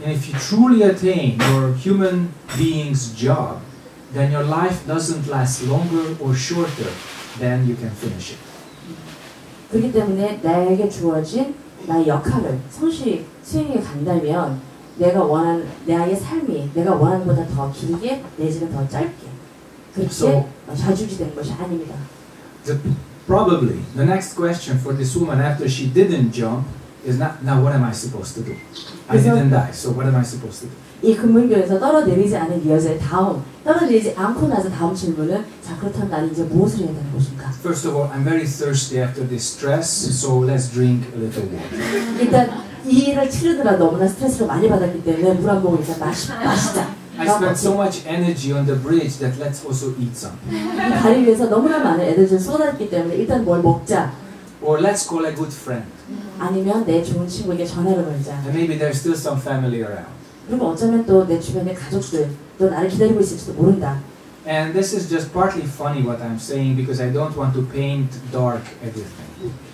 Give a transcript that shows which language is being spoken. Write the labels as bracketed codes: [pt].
[en] And if you truly attain your human being's job, then your life doesn't last longer or shorter than you can finish it. [ko] 그렇기 때문에 나에게 주어진 나의 역할을 성실히 수행해 간다면 내가 원한 나의 삶이 내가 원하는 것보다 더 길게 내지는 더 짧게 그렇게 좌지우지되는 것이 아닙니다. [en] The, probably the next question for this woman after she didn't jump is not now what am I supposed to do? I didn't die, so what am I supposed to do? [ko] 이 금문교에서 떨어내리지 않은 여자의 다음 떨어내리지 않고 나서 다음 질문은 자 그렇다면 나는 이제 무엇을 해야 되는 것인가? [en] First of all, I'm very thirsty after this stress, so let's drink a little water. [ko] 일단 이 일을 치르느라 너무나 스트레스를 많이 받았기 때문에 물 한 모금 일단 마시자. [en] I spent so much energy on the bridge that let's also eat something. [ko] 이 다리 위에서 너무나 많은 에너지를 쏟았기 때문에 일단 뭘 먹자. [en] Or let's call a good friend. [ko] 아니면 내 좋은 친구에게 전화를 걸자. [en] And maybe there's still some family around. [ko] 그럼 어쩌면 또 내 주변의 가족들 또 나를 기다리고 있을지도 모른다. [en] And this is just partly funny what I'm saying because I don't want to paint dark everything.